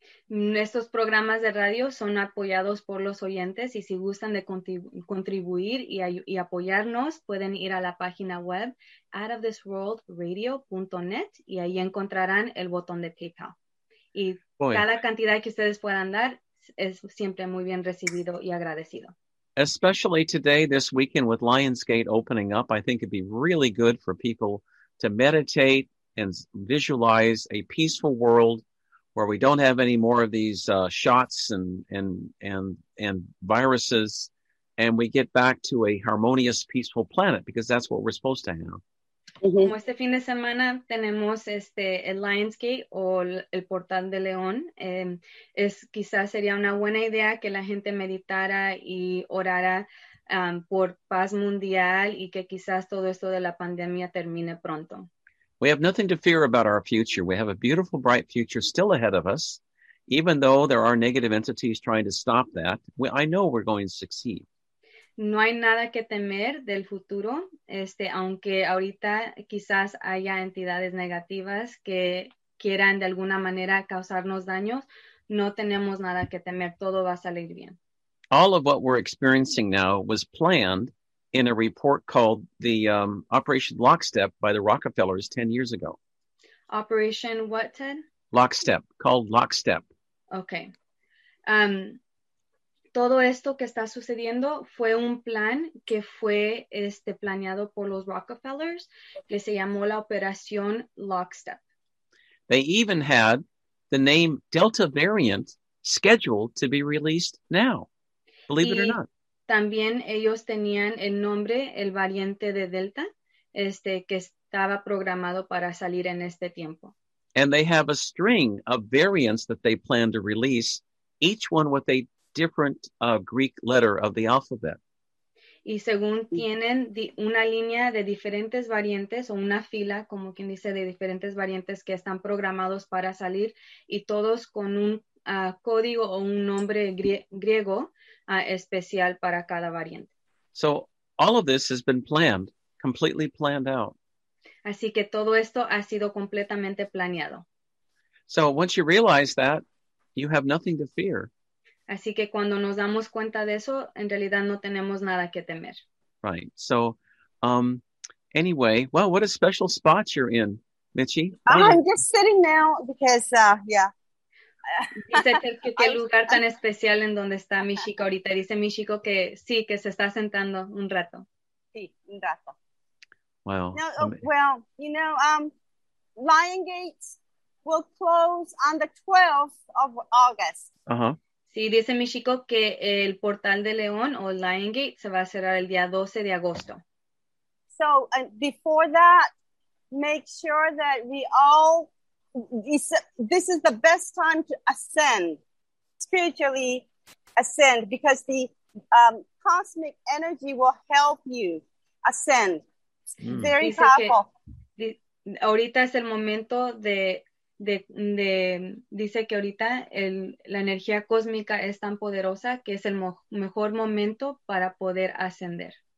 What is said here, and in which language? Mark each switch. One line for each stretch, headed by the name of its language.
Spanish: Nuestros programas de radio son apoyados por los oyentes y si gustan de contribuir y apoyarnos, pueden ir a la página web outofthisworldradio.net y ahí encontrarán el botón de PayPal. Y cada cantidad que ustedes puedan dar es siempre muy bien recibido y agradecido.
English: Especially today, this weekend with Lionsgate opening up, I think it'd be really good for people to meditate and visualize a peaceful world where we don't have any more of these shots and viruses, and we get back to a harmonious, peaceful planet because that's what we're supposed to have. Mm-hmm.
Spanish: Como este fin de semana tenemos el Lionsgate o el Portal de León, quizás sería una buena idea que la gente meditara y orara por paz mundial y que quizás todo esto de la pandemia termine pronto.
English: We have nothing to fear about our future. We have a beautiful, bright future still ahead of us, even though there are negative entities trying to stop that. I know we're going to succeed.
Spanish: No hay nada que temer del futuro, aunque ahorita quizás haya entidades negativas que quieran de alguna manera causarnos daños, no tenemos nada que temer, todo va a salir bien.
English: All of what we're experiencing now was planned in a report called the Operation Lockstep by the Rockefellers 10 years ago. Operation what, Ted? Lockstep, called Lockstep. Okay.
Spanish: Todo esto que está sucediendo fue un plan que fue planeado por los Rockefellers, que se llamó la Operación Lockstep.
English: They even had the name Delta variant scheduled to be released now, believe it or not.
Spanish: También ellos tenían el nombre, el variante de Delta, que estaba programado para salir en este tiempo.
English: And they have a string of variants that they plan to release, each one with a different Greek letter of the alphabet.
Spanish: Y según tienen una línea de diferentes variantes o una fila, como quien dice, de diferentes variantes que están programados para salir y todos con un código o un nombre griego especial para cada variante.
English: So all of this has been planned, completely planned out.
Spanish: Así que todo esto ha sido completamente planeado.
English: So once you realize that, you have nothing to fear.
Spanish: Así que cuando nos damos cuenta de eso, en realidad no tenemos nada que temer.
English: Right. So, anyway, well, what a special spot you're in, Michi. I'm just sitting now because, yeah.
Spanish: Dice que lugar tan especial en donde está Michiko ahorita. Dice Michiko que sí, que se está sentando un rato. Sí, un rato.
English: Well, Lionsgate will close on the 12th of August. Uh-huh.
Spanish: Sí, dice Michiko que el Portal de León o Lion Gate se va a cerrar el día 12 de agosto.
English: So, before that, make sure that we all, this is the best time to ascend, spiritually ascend, because the cosmic energy will help you ascend. Mm. Very
Spanish: dice
English: powerful.
Spanish: Ahorita es el momento de dice que ahorita la energía cósmica es tan poderosa que es el mejor momento para poder ascender.